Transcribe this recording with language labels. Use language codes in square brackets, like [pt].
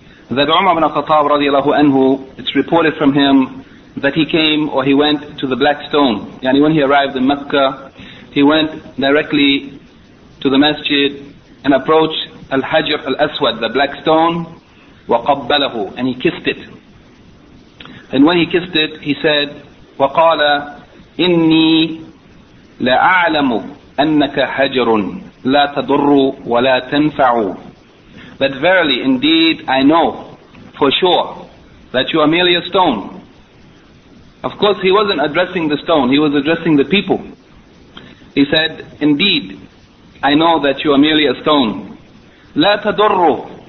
[en] That Umar ibn al-Khattab radiyallahu anhu, it's reported from him that he came or he went to the black stone. Yani when he arrived in Mecca, he went directly to the masjid and approached al-Hajr al-Aswad, the black stone, [ar] وقبله, [en] and he kissed it. And when he kissed it, he said, [ar] وَقَالَ إِنِّي لَأَعْلَمُ أَنَّكَ حَجَرٌ لَا تَضُرُّ وَلَا تَنْفَعُ. [en] That verily, indeed, I know for sure that you are merely a stone. Of course, he wasn't addressing the stone, he was addressing the people. He said, indeed, I know that you are merely a stone. [ar] لَا تَضُرُّ.